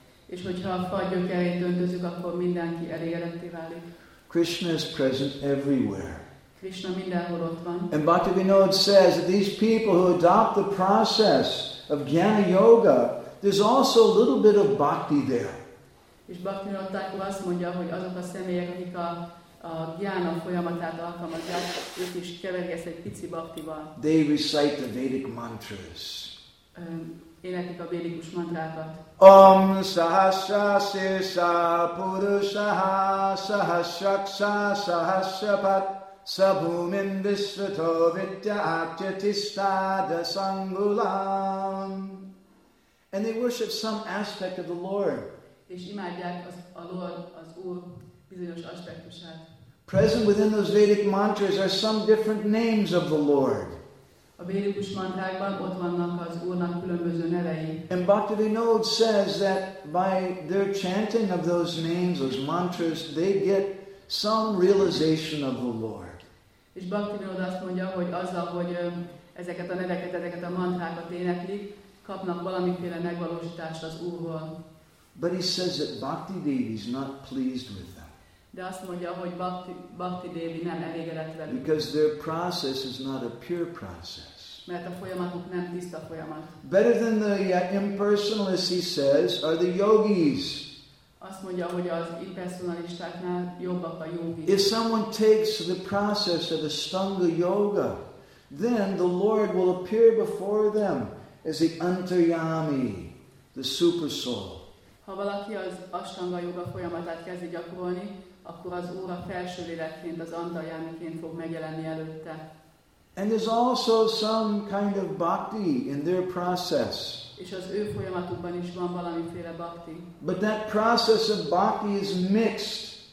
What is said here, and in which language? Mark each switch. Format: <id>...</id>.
<en>Krishna is present everywhere. And Bhaktivinoda says that these people who adopt the process of Jnana Yoga, there's also a little bit of bhakti there.</en> <hu>És Bhaktivinoda Thakur azt mondja, hogy azok a személyek, akik a jnana folyamatát alkalmazják, ők is keverik ezt egy pici bhaktival.</hu> <en>They recite the Vedic mantras.</en> <hu>Énekik a védikus mantrákat.</hu> <sa>Om sahasra sirsa purushaha sahasraksa sahasrapat sabhumin visvato vidya akyatistada sangulam.</sa> <en>And they worship some aspect of the Lord.</en> <hu>És imádják az a Lord, az Úr bizonyos aspektusát.</hu> <en>Present within those Vedic mantras are some different names of the Lord.</en> <hu>A védikus mantrákban ott vannak az Úrnak különböző nevei.</hu> <en>And Bhaktivinoda says that by their chanting of those names, those mantras, they get some realization of the Lord.</en> <hu>És Bhaktivinoda azt mondja, hogy azzal, hogy ezeket a neveket, ezeket a mantrákat éneklik, kapnak valamiféle megvalósítást az Úrról.</hu> <en>But he says that Bhakti Devi is not pleased with them.</en> <hu>De azt mondja, hogy Bhakti Devi nem elégedett velük.</hu> <en>Because their process is not a pure process.</en> <hu>Mert a folyamatuk nem tiszta folyamat.</hu> <en>Better than the impersonalists, he says, are the yogis.</en> <hu>Azt mondja, hogy az impersonalistáknál jobbak a yogis.</hu> <en>If someone takes the process of Ashtanga Yoga, then the Lord will appear before them as the Antaryami, the super soul.</en> <hu>Ha valaki az Ashtanga Yoga folyamatát kezdi gyakorolni, akkor az Úr a felső lélekként, az Antaryamiként fog megjelenni előtte.</hu> <en>And there's also some kind of bhakti in their process.</en> <hu>És az ő folyamatukban is van valamiféle bhakti.</hu> <en>But that process of bhakti is mixed.</en>